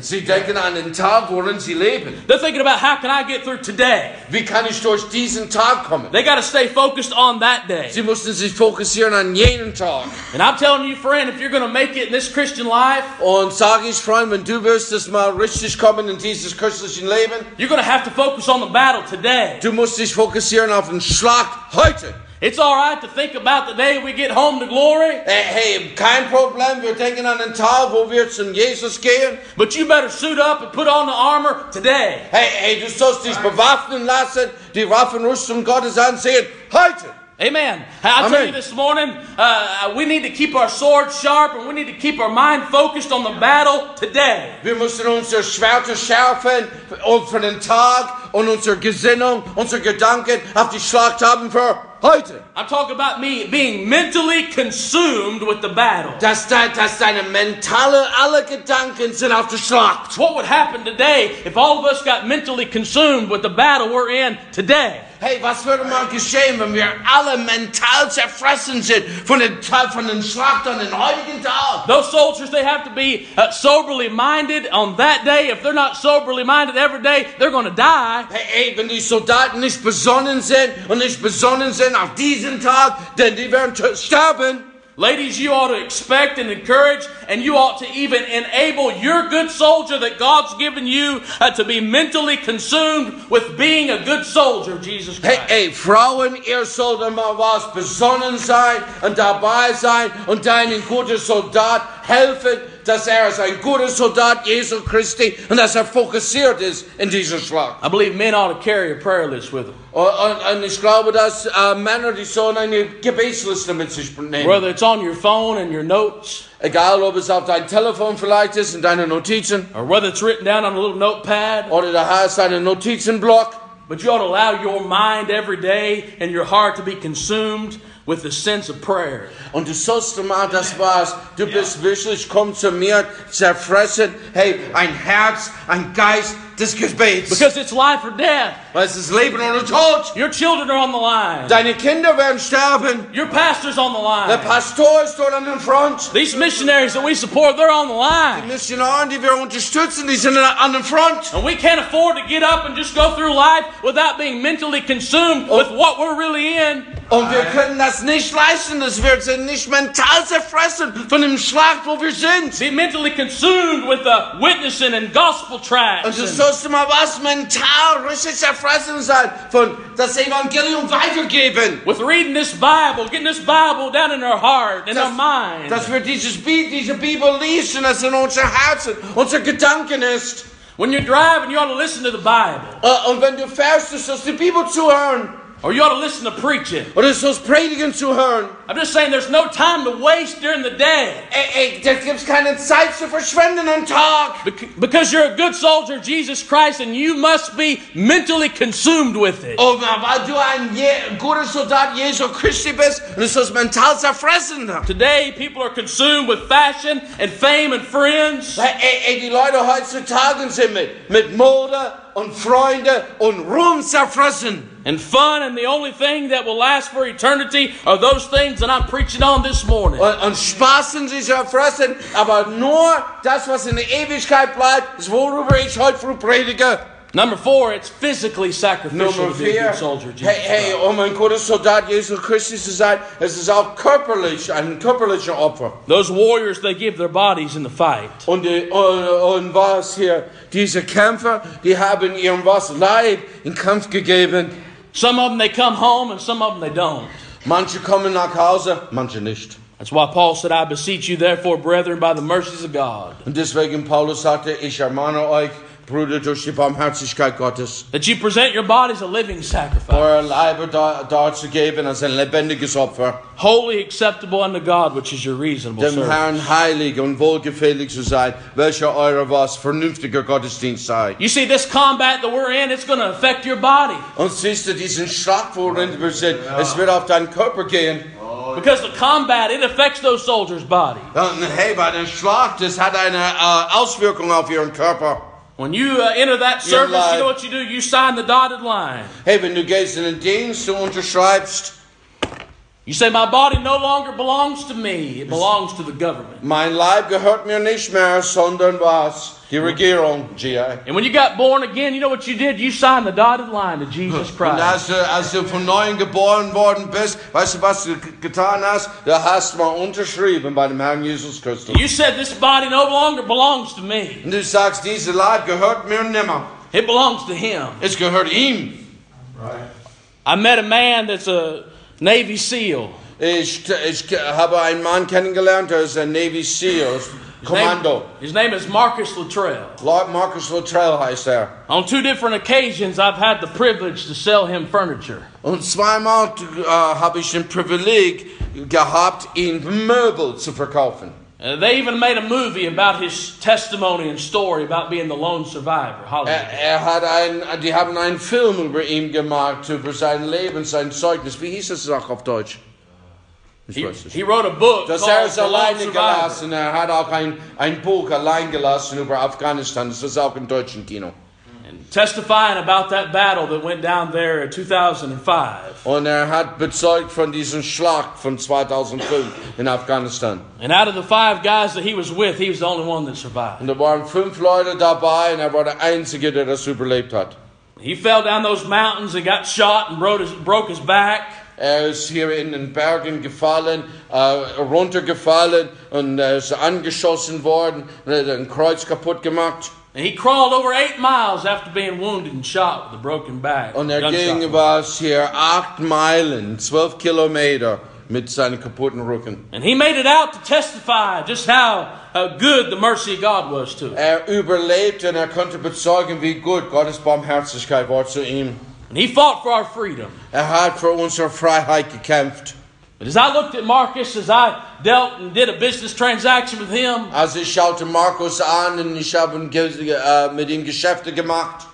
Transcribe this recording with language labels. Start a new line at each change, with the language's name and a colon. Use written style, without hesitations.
German: Sie denken an den Tag, worin sie leben.
English: They're thinking about how can I get through today?
German: Wie kann ich durch diesen Tag kommen?
English: They got to stay focused on that day.
German: Sie müssen sich fokussieren an jenen Tag.
English: And I'm telling you, friend, if you're going to make it in this Christian life,
German: und sag ich, Freund, wenn du wirst das mal richtig kommen in dieses christlichen Leben,
English: you're going to have to focus on the battle today.
German: Du musst dich fokussieren auf den Schlag heute.
English: It's all right to think about the day we get home to glory.
German: Hey, kein Problem. Wir denken an den Tag, wo wir zum Jesus gehen.
English: But you better suit up and put on the armor today.
German: Hey, du sollst dich bewaffnen lassen, die Waffenrüstung Gottes ansehen. Heute! Amen.
English: I'll tell you this morning, we need to keep our sword sharp and we need to keep our mind focused on the battle today.
German: Wir müssen unser Schwerter schärfen für den Tag und unsere Gesinnung, unsere Gedanken auf die Schlacht haben für heute.
English: I'm talking about me being mentally consumed with the battle.
German: Dass deine mentale, alle Gedanken sind auf der Schlacht.
English: What would happen today if all of us got mentally consumed with the battle we're in today?
German: Hey, was würde mal geschehen, wenn wir alle mental zerfressen sind von den Schlacht an den heutigen Tag?
English: Those soldiers, they have to be soberly minded on that day. If they're not soberly minded every day, they're going to die.
German: Hey, wenn die Soldaten nicht besonnen sind und nicht besonnen sind auf diesen Tag, dann die werden sterben.
English: Ladies, you ought to expect and encourage, and you ought to even enable your good soldier that God's given you to be mentally consumed with being a good soldier, Jesus Christ.
German: Hey, Frauen, ihr sollt mal was besonnen sein und dabei sein und deinen guten Soldat helfen, dass ist ein guter Soldat Jesu Christi und dass fokussiert ist in dieser Schlacht.
English: I believe men ought to carry a prayer list with them.
German: Und ich glaube, dass Männer die sollen eine Gebetsliste mit sich nehmen.
English: Whether it's on your phone and your notes.
German: Egal, ob es auf dein Telefon vielleicht ist und deine Notizen.
English: Or whether it's written down on a little notepad.
German: Oder du hast einen Notizenblock.
English: But you ought to allow your mind every day and your heart to be consumed with a sense of prayer.
German: Und du sollst mal das was, du bist wirklich, komm zu mir, zerfressen, hey, ein Herz, ein Geist des Gebets.
English: Because it's life or death.
German: Weil es ist Leben oder Tod.
English: Your children are on the line.
German: Deine Kinder werden sterben.
English: Your pastor's on the line.
German: Der Pastor ist dort an den Front.
English: These missionaries that we support, they're on the line.
German: Die Missionaren, die wir unterstützen, die sind an den Front.
English: And we can't afford to get up and just go through life without being mentally consumed with what we're really in.
German: Und wir können das nicht leisten, dass wir sind nicht mental zerfressen von dem Schlag, wo wir sind.
English: Be mentally consumed with the witnessing and gospel tracts.
German: Und du sollst du mal was mental richtig erfressen sein von das Evangelium weitergeben.
English: With reading this Bible, getting this Bible down in our heart, in our mind.
German: Dass wir diese Bibel lesen, das in unser Herzen, unser Gedanken ist.
English: When you're driving, you ought to listen to the Bible.
German: Und wenn du fährst, du sollst die Bibel zuhören.
English: Or you ought to listen to preaching.
German: Oder du sollst predigen zuhören.
English: I'm just saying there's no time to waste during the day.
German: Es gibt keine Zeit zu verschwenden am Tag.
English: Because you're a good soldier of Jesus Christ and you must be mentally consumed with it.
German: Oh, weil du ein guter Soldat Jesu Christi bist und du sollst mental zerfressen.
English: Today, people are consumed with fashion and fame and friends.
German: Die Leute heutzutage sind mit Mode und Freunde und Ruhm zerfressen.
English: And fun, and the only thing that will last for eternity are those things that I'm preaching on this morning.
German: Und Spaß in dieser Fressen, aber nur das, was in der Ewigkeit bleibt, ist worüber ich heute früh predige.
English: Number four, it's physically sacrificial Number to be a good soldier, Jesus Christ.
German: Hey, mein guter Soldat, Jesus Christus ist es ist auch körperlich, ein körperlicher Opfer.
English: Those warriors, they give their bodies in the fight.
German: Und was hier, diese Kämpfer, die haben ihren was Leib in Kampf gegeben.
English: Some of them, they come home, and some of them, they don't.
German: Manche kommen nach Hause, manche nicht.
English: That's why Paul said, I beseech you therefore, brethren, by the mercies of God.
German: Und deswegen Paulus sagte, ich ermahne euch, Bruder, durch die Barmherzigkeit Gottes.
English: That you present your body as a living sacrifice.
German: Eure Leiber darzugeben als ein lebendiges Opfer.
English: Holy, acceptable unto God, which is your reasonable
German: Dem
English: service.
German: Dem Herrn heilig und wohlgefällig zu sein, welcher eure was vernünftiger Gottesdienst sei.
English: You see, this combat that we're in, it's going to affect your body.
German: Und siehst du diesen Schlag, worin wir sind, es wird auf deinen Körper gehen.
English: Because the combat, it affects those soldiers' body.
German: Hey, bei dem Schlag, das hat eine Auswirkung auf ihren Körper.
English: When you enter that service, you know what you do? You sign the dotted line.
German: Hey, wenn du gehst in den Dienst, du unterschreibst.
English: You say, my body no longer belongs to me. It belongs to the government.
German: Mein Leib gehört mir nicht mehr, sondern was? Die Regierung, G.I.
English: And when you got born again, you know what you did? You signed the dotted line to Jesus Christ.
German: Und als du von Neuem geboren worden bist, weißt du, was du getan hast? Du hast mal unterschrieben bei dem Herrn Jesus Christus.
English: You said, this body no longer belongs to me.
German: Und du sagst, diese Leib gehört mir nimmer.
English: It belongs to him.
German: Es gehört ihm.
English: Right. I met a man that's a Navy SEAL.
German: Ich habe einen Mann kennengelernt, der ist ein Navy SEAL.
English: His name is Marcus Luttrell.
German: Lord Marcus Luttrell heißt er.
English: On two different occasions, I've had the privilege to sell him furniture.
German: Und zweimal habe ich den Privileg gehabt, ihn Möbel zu verkaufen.
English: They even made a movie about his testimony and story about being the lone survivor.
German: Die haben einen Film über ihn gemacht, über sein Leben, sein Zeugnis. Wie hieß es auch auf Deutsch?
English: He wrote a book das called The Lone Survivor.
German: Er hat auch ein Buch allein gelassen über Afghanistan. Das ist auch im deutschen Kino.
English: And testifying about that battle that went down there in 2005.
German: Und hat bezeugt von diesem Schlag von 2005 in Afghanistan.
English: And out of the five guys that he was with, he was the only one that survived.
German: Und da waren fünf Leute dabei und war der Einzige, der das überlebt hat.
English: He fell down those mountains and got shot and broke his back.
German: Ist hier in den Bergen gefallen, runtergefallen und ist angeschossen worden und hat ein Kreuz kaputt gemacht.
English: And he crawled over 8 miles after being wounded and shot with a broken back.
German: Und ging was hier 8 Meilen, 12 Kilometer mit seinem kaputten Rücken.
English: And he made it out to testify just how good the mercy of God was to him.
German: Überlebt und konnte bezeugen, wie gut Gottes Barmherzigkeit war zu ihm.
English: And he fought for our freedom.
German: Er hat für unsere Freiheit gekämpft.
English: But as I looked at Marcus, as I dealt and did a business transaction with him,
German: als ich schaute Marcus an und ich habe mit ihm Geschäfte gemacht,